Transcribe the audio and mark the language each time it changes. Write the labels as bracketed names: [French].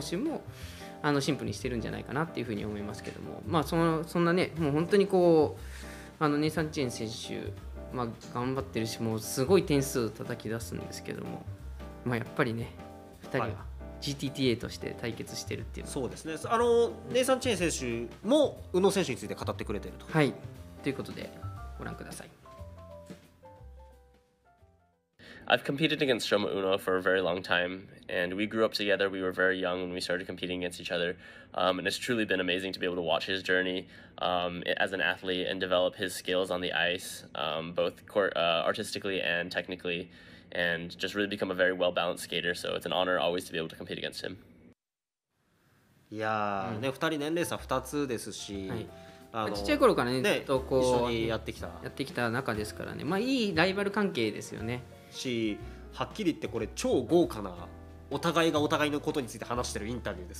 [Japanese] 修もあのシンプルにしてるんじゃないかなっていうふうに思いますけども、まあ、そんなねもう本当にこうあのネイサン・チェン選手、まあ、頑張ってるしもうすごい点数叩き出すんですけども、まあ、やっぱりね2人は、はいGTTA として対決してるっていうのそうですね。あの、うん、ネイサン・チェン選手も宇野選手について語ってくれてると、はい、ということでご覧ください。 [English] I've competed against Shoma Uno for a very long time and we grew up together. We were very young when we started competing against each other、and it's truly been amazing to be able to watch his journey、as an athlete and develop his skills on the ice、both court,、artistically and technicallyAnd just really become a very well-balanced skater, so it's an honor always to be able to compete against him. [Japanese] Yeah, ね、2人年齢差2つですし、はい、あの、ちっちゃい頃からね、ずっとこう、一緒にやってきた中ですからね、まあ、いいライバル関係ですよね。し、はっきり言ってこれ超豪華なお互いがお互いのことについて話してるインタビューです